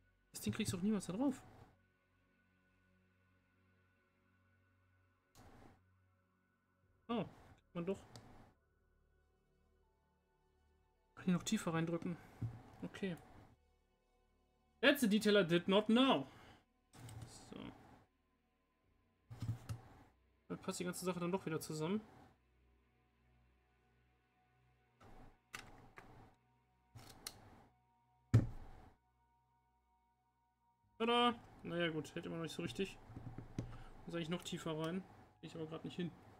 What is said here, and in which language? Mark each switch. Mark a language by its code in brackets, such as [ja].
[de] Das Ding kriegst du auch niemals da drauf. Oh, kann man doch. hier noch tiefer reindrücken. Okay. [en] That's a detail I did not know. [de] So. Dann passt die ganze Sache dann doch wieder zusammen. Tada! Naja gut, hält immer noch nicht so richtig. Muss eigentlich noch tiefer rein. Geh ich aber gerade nicht hin.